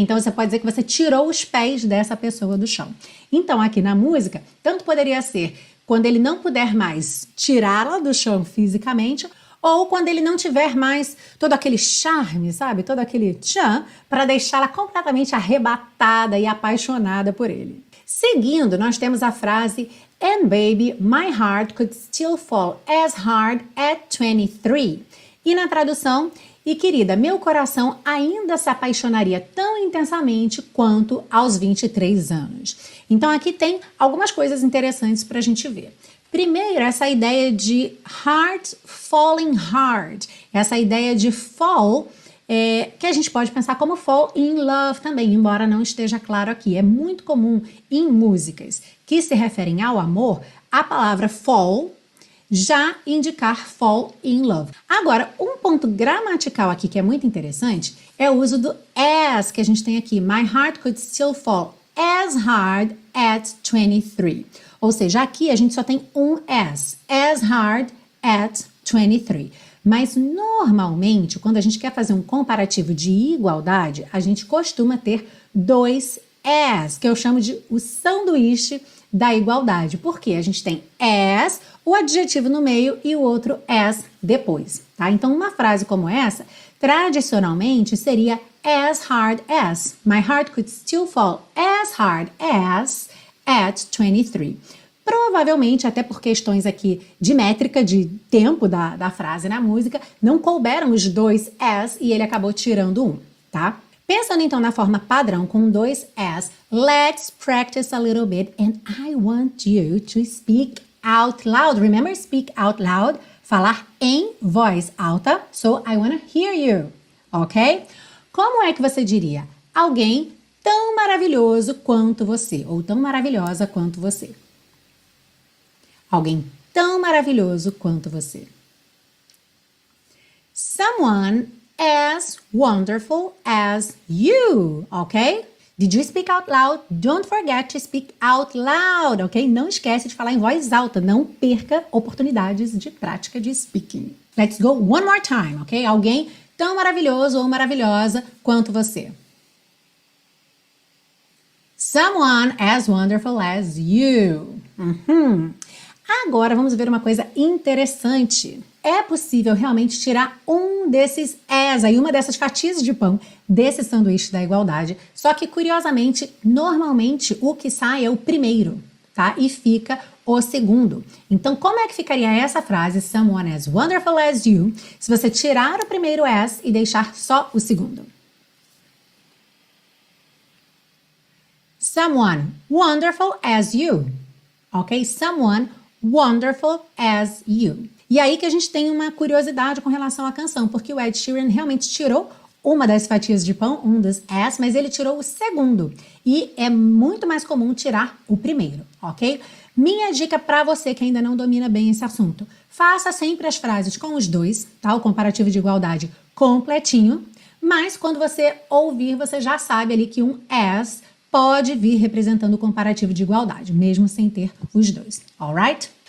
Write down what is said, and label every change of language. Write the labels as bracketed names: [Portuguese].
[Portuguese] Então você pode dizer que você tirou os pés dessa pessoa do chão. Então aqui na música, tanto poderia ser quando ele não puder mais tirá-la do chão fisicamente, ou quando ele não tiver mais todo aquele charme, sabe? Todo aquele tchan, para deixá-la completamente arrebatada e apaixonada por ele. Seguindo, nós temos a frase, [English] "And baby, my heart could still fall as hard at 23." [Portuguese] E na tradução, "E querida, meu coração ainda se apaixonaria tão intensamente quanto aos 23 anos. Então aqui tem algumas coisas interessantes para a gente ver. Primeiro, essa ideia de [English] heart falling hard. [Portuguese] Essa ideia de fall, que a gente pode pensar como fall in love também, embora não esteja claro aqui. É muito comum em músicas que se referem ao amor, a palavra fall já indicar fall in love. Agora, um ponto gramatical aqui que é muito interessante é o uso do as que a gente tem aqui. [English] My heart could still fall as hard at 23. [Portuguese] Ou seja, aqui a gente só tem um as hard at 23. Mas normalmente, quando a gente quer fazer um comparativo de igualdade, a gente costuma ter dois as, que eu chamo de o sanduíche da igualdade. Por quê? A gente tem as, o adjetivo no meio e o outro as depois, tá? Então, uma frase como essa, tradicionalmente, seria as hard as. [English] My heart could still fall as hard as at 23. [Portuguese] Provavelmente, até por questões aqui de métrica, de tempo da frase na música, não couberam os dois as e ele acabou tirando um, tá? Pensando então na forma padrão com dois as, [English] let's practice a little bit and I want you to speak out loud. Remember, speak out loud, [Portuguese] falar em voz alta, [English] so I want to hear you, ok? [Portuguese] Como é que você diria alguém tão maravilhoso quanto você ou tão maravilhosa quanto você? Alguém tão maravilhoso quanto você. [English] Someone as wonderful as you, ok? Did you speak out loud? Don't forget to speak out loud, ok? [Portuguese] Não esquece de falar em voz alta. Não perca oportunidades de prática de speaking. [English] Let's go one more time, [Portuguese] ok? Alguém tão maravilhoso ou maravilhosa quanto você. [English] Someone as wonderful as you. Uhum. [Portuguese] Agora vamos ver uma coisa interessante. É possível realmente tirar um desses as aí, uma dessas fatias de pão desse sanduíche da igualdade. Só que, curiosamente, normalmente o que sai é o primeiro, tá? E fica o segundo. Então, como é que ficaria essa frase, [English] someone as wonderful as you, [Portuguese] se você tirar o primeiro as e deixar só o segundo? [English] Someone wonderful as you. Ok? Someone wonderful as you. [Portuguese] E aí que a gente tem uma curiosidade com relação à canção, porque o Ed Sheeran realmente tirou uma das fatias de pão, um dos as, mas ele tirou o segundo. E é muito mais comum tirar o primeiro, ok? Minha dica para você que ainda não domina bem esse assunto, faça sempre as frases com os dois, tá? O comparativo de igualdade completinho, mas quando você ouvir, você já sabe ali que um as pode vir representando o comparativo de igualdade, mesmo sem ter os dois, alright?